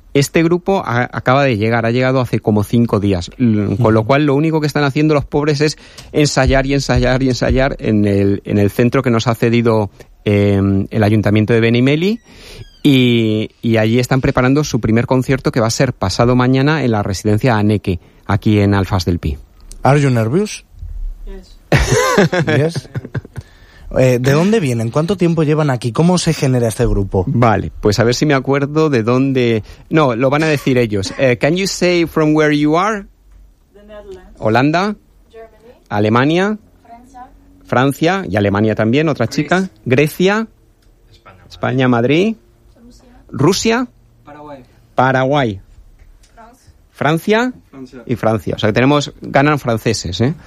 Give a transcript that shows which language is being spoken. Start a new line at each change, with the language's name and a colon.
Spanish: Este grupo acaba de llegar, ha llegado hace como 5 días, con lo cual lo único que están haciendo los pobres es ensayar y ensayar y ensayar en el centro que nos ha cedido el Ayuntamiento de Benimeli, y allí están preparando su primer concierto, que va a ser pasado mañana en la residencia Aneke, aquí en Alfas del Pi.
English: Are you nervous? Yes. Yes.
Spanish: ¿De dónde vienen? ¿Cuánto tiempo llevan aquí? ¿Cómo se genera este grupo? Vale, pues a ver si me acuerdo de dónde. No, lo van a decir ellos.
English: Can you say from where you are? The Netherlands.
Spanish: Holanda.
English: Germany.
Spanish: Alemania. Francia. Francia y Alemania también, otra
English: Greece.
Spanish: Chica. Grecia. España. Madrid. Rusia. Paraguay. Francia y Francia. O sea, que ganan franceses, ¿eh?